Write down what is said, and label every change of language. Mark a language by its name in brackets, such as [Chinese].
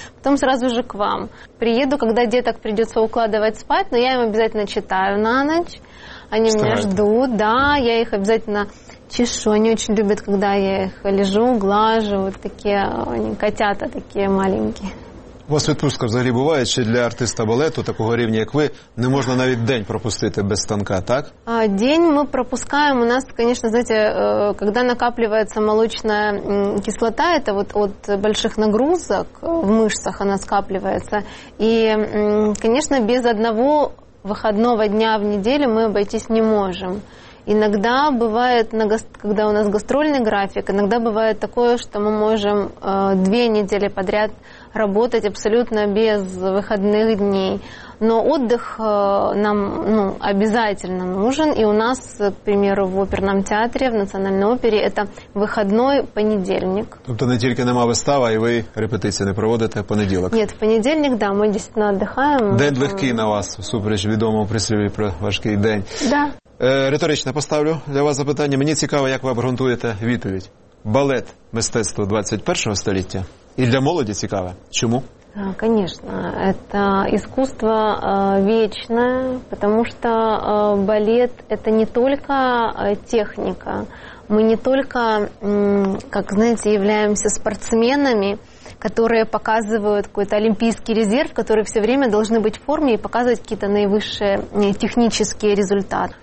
[Russian] Потом сразу же к вам. Приеду, когда деток придется укладывать спать, но я им обязательно читаю на ночь. Они меня ждут, да, я их обязательно чешу. Они очень любят, когда я их лежу, глажу. Вот такие они, котята такие маленькие. [Ukrainian] У вас відпустка взагалі буває, чи для артиста балету такого рівня, як ви, не можна навіть день пропустити без станка, так? День ми пропускаємо. У нас, звісно, знаєте, коли накаплюється молочна кислота, це от від великих нагрузок в мишцях вона скаплюється. І, звісно, без одного вихідного дня в неділі ми обійтись не можемо. [Russian] Иногда бывает, когда у нас гастрольный график, иногда бывает такое, что мы можем две недели подряд работать абсолютно без выходных дней. Но отдых нам обязательно нужен. И у нас, к примеру, в оперном театре, в Национальной опере, это выходной понедельник. То есть не только нема выстава, и вы репетиции не проводите в понедельник? Нет, в понедельник, да, мы действительно отдыхаем. [Ukrainian] День легкий на вас, супереч відомому прислів'ю про важкий день. [Russian] Да. [Ukrainian] Риторично поставлю для вас запитання. Мені цікаво, як ви обґрунтуєте відповідь. Балет – мистецтво 21-го століття? І для молоді цікаве. Чому? [Russian] Конечно, это искусство вечное, потому что балет – это не только техника. Мы не только, как знаете, являемся спортсменами, которые показывают какой-то олимпийский резерв, которые все время должны быть в форме и показывать какие-то наивысшие технические результаты.